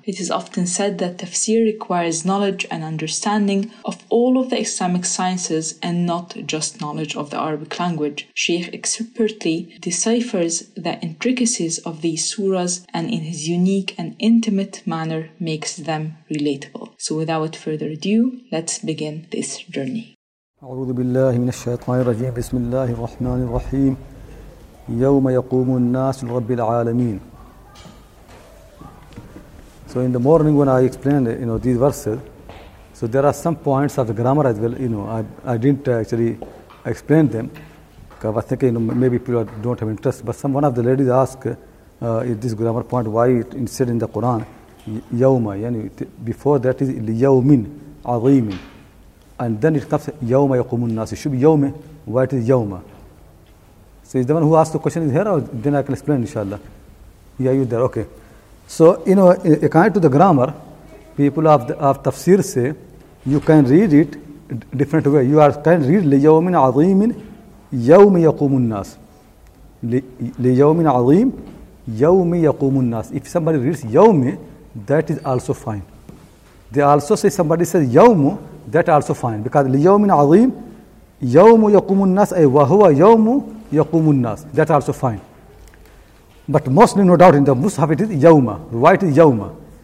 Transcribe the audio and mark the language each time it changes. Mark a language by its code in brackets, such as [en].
[en] It is often said that Tafsir requires knowledge and understanding of all of the Islamic sciences and not just knowledge of the Arabic language. Sheikh expertly deciphers the intricacies of these surahs and in his unique and intimate manner makes them relatable. So without further ado, let's begin this journey. [ar] أعوذ بالله من الشيطان الرجيم بسم الله الرحمن الرحيم يوم يقوم الناس لرب العالمين. [en] So in the morning when I explained, you know, these verses, so there are some points of the grammar as well, you know, I didn't actually explain them because I was thinking, you know, maybe people don't have interest, but one of the ladies asked, is this grammar point, why it said in the Quran يوم, yani before that is يوم عظيم, and then it comes [ar] يوم يقوم الناس, [en] it should be يوم, why it is يوم. So is the one who asked the question is here, or then I can explain inshallah. Yeah, you there, okay. So, you know, according to the grammar, people of Tafsir say, you can read it different way. You are can read [ar] ليوم عظيم يوم يقوم الناس ليوم عظيم يوم يقوم الناس. [en] If somebody reads يوم, that is also fine. They also say somebody says يوم, that also fine, because [ar] ليوم عظيم يوم يقوم الناس [en] أي وهو يوم يقوم الناس, that also fine. But mostly no doubt in the Mus'haf it is يوم. Why it is يوم?